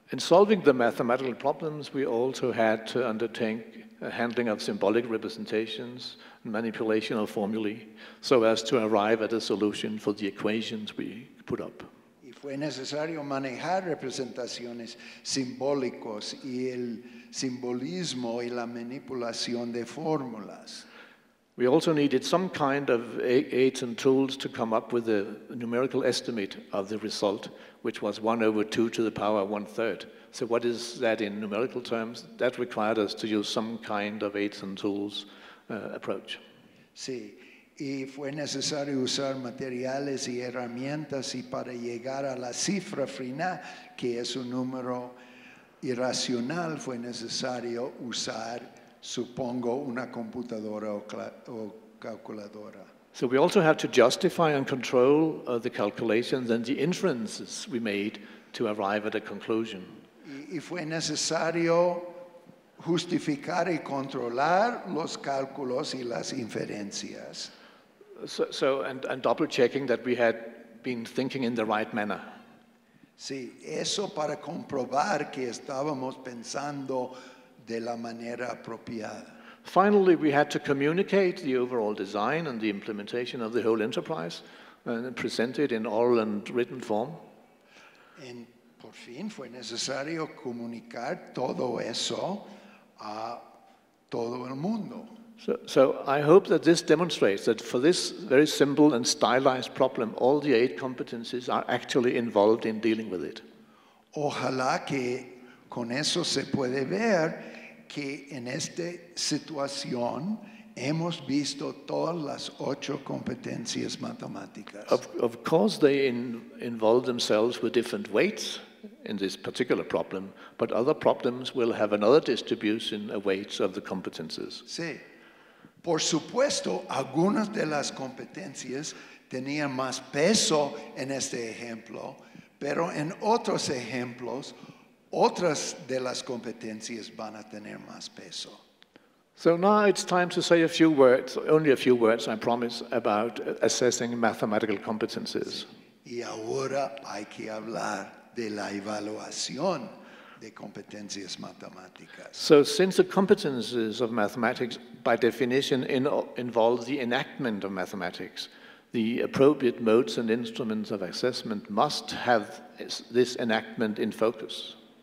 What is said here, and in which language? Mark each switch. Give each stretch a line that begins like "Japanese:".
English: In solving the mathematical problems, we also had to undertake a handling of symbolic representations and manipulation of formulae so as to arrive at a solution for the equations we put up.
Spanish: Y fue necesario manejar representaciones simbólicos y el simbolismo y la manipulación de fórmulas.
English: We also needed some kind of aids and tools to come up with a numerical estimate of the result, which was 1/2 to the power 1/3. So what is that in numerical terms? That required us to use some kind of aids and tools approach.
Spanish: Sí, y fue necesario usar materiales y herramientas y para llegar a la cifra final, que es un número irracional, fue necesario usar, supongo, una computadora o calculadora.
English: So we also had to justify and control the calculations and the inferences we made to arrive at a conclusion.
Spanish: Y fue necesario justificar y controlar los cálculos y las inferencias.
English: So, and double checking that we had been thinking in the right manner.
Spanish: Sí, eso para comprobar que estábamos pensando de la manera apropiada.
English: Finally, we had to communicate the overall design and the implementation of the whole enterprise and present it in oral and written form.
Spanish: Y por fin fue necesario comunicar todo eso a todo el mundo.
English: So I hope that this demonstrates that for this very simple and stylized problem, all the eight competencies are actually involved in dealing with it.
Spanish: Ojalá que con eso se puede ver que en esta situación hemos visto todas las ocho competencias matemáticas.
English: Of course they involve themselves with different weights in this particular problem, but other problems will have another distribution of weights of the competences.
Spanish: Sí. Por supuesto, algunas de las competencias tenían más peso en este ejemplo, pero en otros ejemplos, otras de las competencias van a tener más peso.
English: So now it's time to say a few words, only a few words, I promise, about assessing mathematical competences.
Spanish: Y ahora hay que hablar de la evaluación de competencias matemáticas.
English: So since the competencies of mathematics by definition involves the enactment of mathematics, the appropriate modes and instruments of assessment must have this enactment in focus.